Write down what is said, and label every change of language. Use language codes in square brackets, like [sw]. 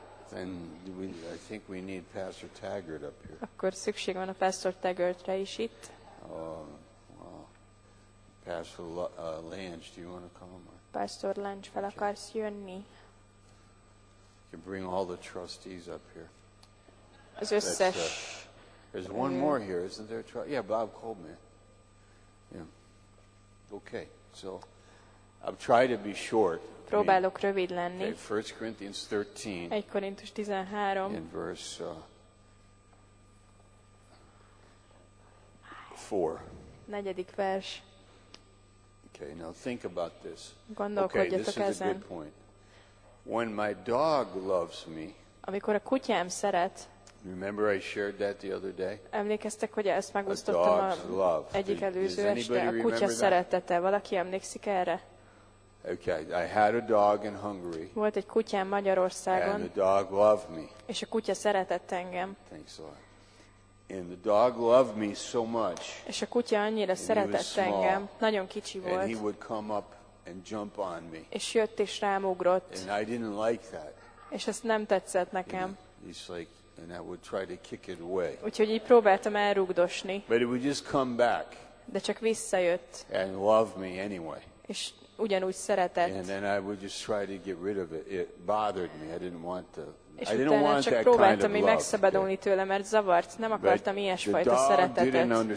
[en] Then I think we need Pastor Taggart up here. [hu] Akkor szükség van a Pastor Taggartra is itt. [en] Pastor Lange, do you want to come? [hu] Pastor Lange, fel akarsz jönni? [en] You bring all the trustees up here. [hu] Az összes. [en] There's one more here, isn't there? Yeah, Bob Coleman. Yeah. Okay, so I'll try to be short. [hu] Próbálok rövid lenni. [en] Okay, 1 Corinthians 13. [hu] 1 Korintus 13. [en] In verse 4. [hu] Negyedik vers. [en] Okay, now think about this. Okay, this is [hu] ezen. [en] A good point. When my dog loves me. [hu] Amikor a kutyám szeret. [en] Remember I shared that the other day? [hu] Emlékeztek, hogy ezt megosztottam egyik előző este, a kutya szeretete. Valaki emlékszik erre? [en] Okay, I had a dog in Hungary. [hu] Volt egy kutyám Magyarországon. [en] And the dog loved me. [hu] És a kutya szeretett engem. [en] Thanks a lot. And the dog loved me so much. [hu] És a kutya annyira szeretett engem, nagyon kicsi volt. [en] And he would come up and jump on me. [hu] És jött és rám ugrott. [en] And I didn't like that. [hu] És ezt nem tetszett nekem. [en] He's like, and I would try to kick it away. [hu] Úgyhogy így próbáltam elrugdosni. [en] But it would just come back. [hu] De csak visszajött. [en] And love me anyway. [hu] És ugyanúgy szeretett. [en] And then I would just try to get rid of it. It bothered me. I didn't want to. [hu] És utána csak próbáltam így megszabadulni tőle, mert zavart, nem akartam ilyesfajta szeretetet.